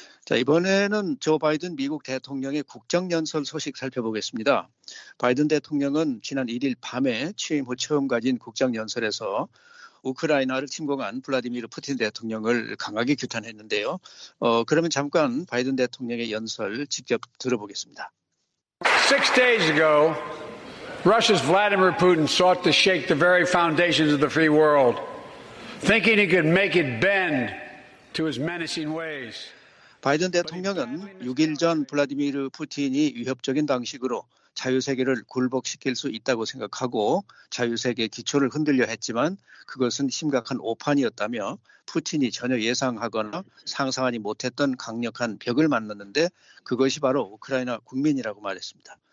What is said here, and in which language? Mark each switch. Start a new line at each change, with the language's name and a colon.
Korean: 자, 이번에는 조 바이든 미국 대통령의 국정연설 소식 살펴보겠습니다. 바이든 대통령은 지난 1일 밤에 취임 후 처음 가진 국정연설에서 우크라이나를 침공한 블라디미르 푸틴 대통령을 강하게 규탄했는데요. 그러면 잠깐 바이든 대통령의 연설 직접 들어보겠습니다.
English: Six days ago, Russia's Vladimir Putin sought to shake the very foundations of the free world, thinking he could make it bend to his menacing ways.
Korean: 바이든 대통령은 6일 전 블라디미르 푸틴이 위협적인 방식으로 자유세계를 굴복시킬 수 있다고 생각하고 자유세계 기초를 흔들려 했지만 그것은 심각한 오판이었다며 푸틴이 전혀 예상하거나 상상하지 못했던 강력한 벽을 만났는데 그것이 바로 우크라이나 국민이라고 말했습니다.